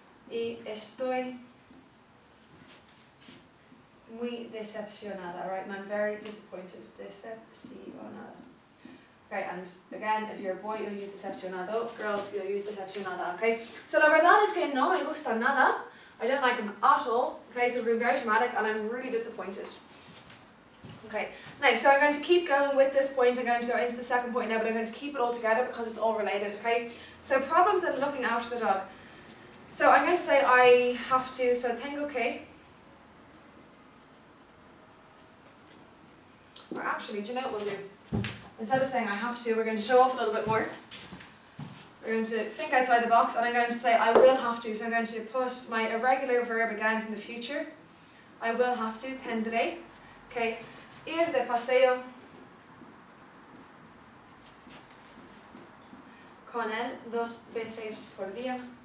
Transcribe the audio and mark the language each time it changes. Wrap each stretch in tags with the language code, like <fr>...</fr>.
<es>Y estoy muy decepcionada,</es> <en>right? And I'm very disappointed.</en> <es>Decepcionada.</es> <en>Okay, and again, if you're a boy, you'll use decepcionado. Girls, you'll use decepcionada, okay?</en> <es>So la verdad es que no me gusta nada.</es> <en>I don't like him at all. Okay, so we're being very dramatic and I'm really disappointed. Okay, now, so I'm going to keep going with this point. I'm going to go into the second point now, but I'm going to keep it all together because it's all related, okay? So problems in looking after the dog. So I'm going to say I have to, so</en> <es>tengo que,</es> <en>or actually, do you know what we'll do? Instead of saying I have to, we're going to show off a little bit more. We're going to think outside the box, and I'm going to say I will have to. So I'm going to put my irregular verb again from the future. I will have to, tendré, okay?</en> <es>Ir de paseo con él dos veces por día.</es>